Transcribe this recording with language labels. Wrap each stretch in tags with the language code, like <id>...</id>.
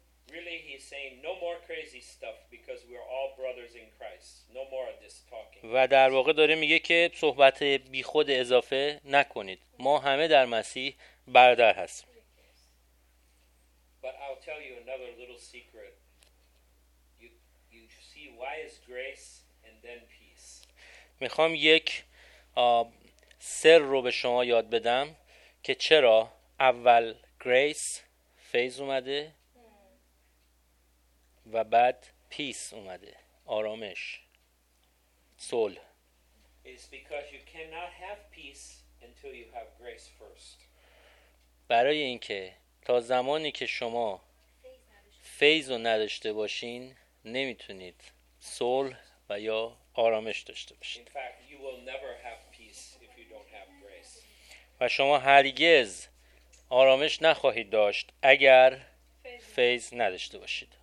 <en>Really he is saying no more crazy stuff because we are all brothers in Christ. No more of this talking.</en> <fa>و در واقع داره میگه که صحبت بیخود اضافه نکنید. ما همه در مسیح برادر هست.</fa> <en>But I'll tell you another little secret. You see why is grace and then peace.</en> <fa>میخوام یک سر رو به شما یاد بدم که چرا اول گریس فیض اومده و بعد پیس اومده، آرامش، صلح.</fa> <en>It's because you cannot have peace until you have grace first.</en> <fa>برای اینکه تا زمانی که شما فیض رو نداشته باشین نمیتونید صلح و یا آرامش داشته باشید.</fa> <en>In fact, you will never have peace if you don't have grace.</en> <fa>و شما هرگز آرامش نخواهید داشت اگر فیض نداشته باشید.</fa>